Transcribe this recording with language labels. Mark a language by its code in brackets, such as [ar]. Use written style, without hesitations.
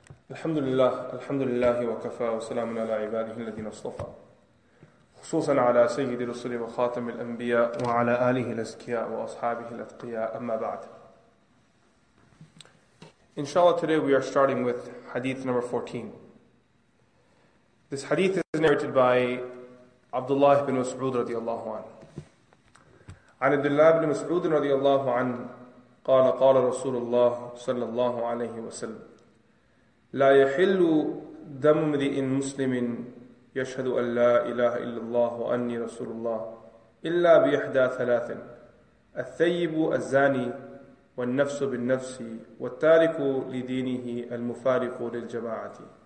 [ar] الحمد لله الحمد لله وكفى وسلام على عباده الذين اصطفى، خصوصا على سيد الرسل وخاتم الأنبياء وعلى آله الأزكياء وأصحابه الأتقياء، أما بعد. إن شاء الله [en] today we are starting with hadith number 14. This hadith is narrated by Abdullah ibn Mas'ud رضي الله عنه. [ar] عن عبد الله بن مسعود رضي الله عنه قال قال رسول الله صلى الله عليه وسلم لا يحل دم امرئ مسلم يشهد أن لا إله إلا الله وأني رسول الله إلا بإحدى ثلاث: الثيب الزاني، والنفس بالنفس، والتارك لدينه المفارق للجماعة.